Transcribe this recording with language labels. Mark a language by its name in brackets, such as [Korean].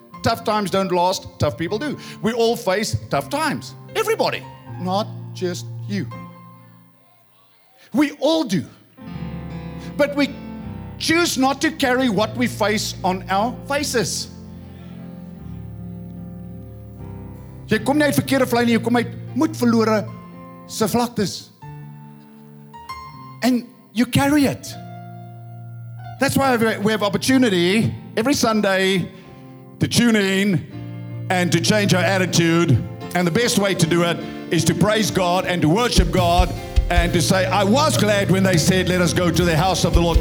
[English] Tough times don't last, tough people do. We all face tough times. Everybody, not just you. We all do. But we choose not to carry what we face on our faces. [Afrikaans] Jy kom nie uit verkeerde vlei nie, jy kom uit moed verlore se vlaktes. [English] And you carry it. That's why we have opportunity every Sunday to tune in and to change our attitude. And the best way to do it is to praise God and to worship God and to say, I was glad when they said, let us go to the house of the Lord.